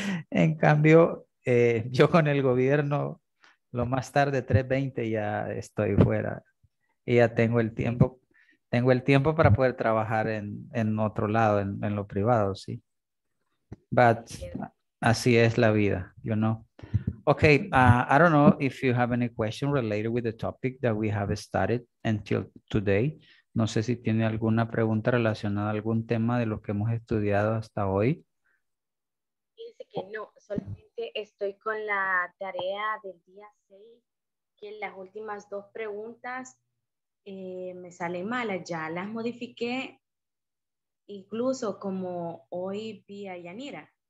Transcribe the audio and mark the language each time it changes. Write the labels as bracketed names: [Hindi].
[Spanish] En cambio, yo con el gobierno, lo más tarde, 3:20 ya estoy fuera y ya tengo el tiempo. Tengo el tiempo para poder trabajar en otro lado, en lo privado, ¿sí? But así es la vida, [English] you know. Okay, I don't know if you have any question related with the topic that we have started until today. [Spanish] No sé si tiene alguna pregunta relacionada a algún tema de lo que hemos estudiado hasta hoy. Dice que no, solamente estoy con la tarea del día 6, que las últimas dos preguntas... me sale mala, ya las modifiqué, incluso como hoy vi a Yanira.